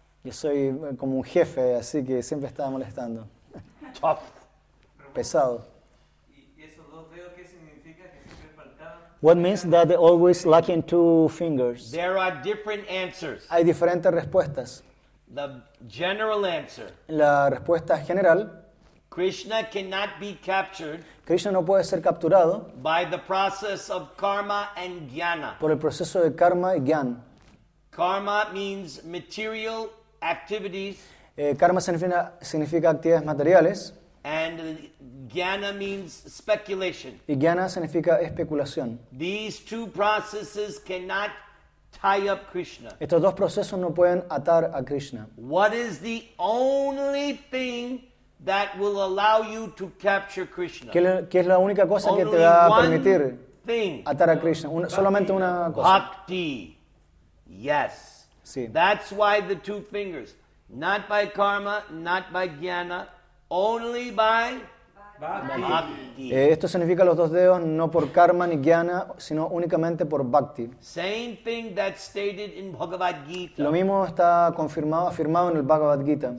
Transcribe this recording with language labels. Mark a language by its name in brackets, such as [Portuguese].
[Spanish] Yo soy como un jefe, así que siempre estaba molestando. [English] Tough. [Spanish] Pesado. ¿Y esos dos dedos qué significa? ¿Que siempre faltaban? [English] What means that they always lacking two fingers? There are different answers. [Spanish] Hay diferentes respuestas. [English] The general answer. [Spanish] La respuesta general. [English] Krishna cannot be captured. [Spanish] Krishna no puede ser capturado. [English] By the process of karma and jnana. [Spanish] Por el proceso de karma y jnana. [English] Karma means material activities. [Spanish] Karma significa actividades materiales. [English] And jnana means speculation. [Spanish] Y jnana significa especulación. [English] These two processes cannot tie up Krishna. [Spanish] Estos dos procesos no pueden atar a Krishna. [English] What is the only thing that will allow you to capture Krishna? [Spanish] ¿Qué es la única cosa [English] only [Spanish] que te va a permitir atar a Krishna? Solamente una cosa. [English] Bhakti. Yes. [Spanish] Sí. [English] That's why the two fingers. Not by karma, not by jnana. Only by bhakti. [Spanish] Esto significa los dos dedos, no por karma ni jnana, sino únicamente por bhakti. [English] Same thing that's stated in Bhagavad Gita. [Spanish] Lo mismo está confirmado, afirmado en el Bhagavad Gita.